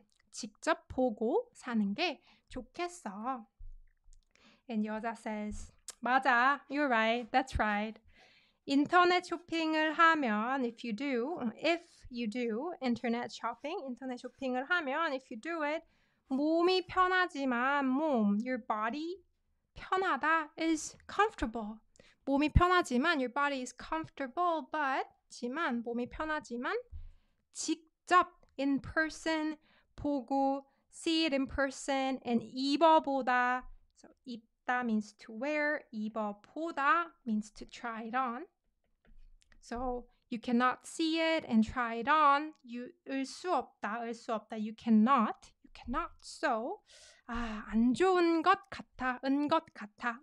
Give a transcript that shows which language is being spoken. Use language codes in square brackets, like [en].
[ko] 직접 보고 사는 게 좋겠어. [en] And 여자 says, 맞아, you're right, that's right. [ko] 인터넷 쇼핑을 하면, [en] if you do internet shopping, 인터넷 쇼핑을 하면, if you do it, [ko] 몸이 편하지만, [en] 몸, your body, 편하다 is comfortable. [ko] 몸이 편하지만, [en] your body is comfortable, but, 지만, 몸이 편하지만, 직접, in person, 보고 see it in person, and [ko] 입어보다. [en] So 입다 means to wear, 입어보다 means to try it on. So you cannot see it and try it on. [ko] 을 수 없다. [en] You cannot. [ko] So 아, 안 좋은 것 같아, 은 것 같아.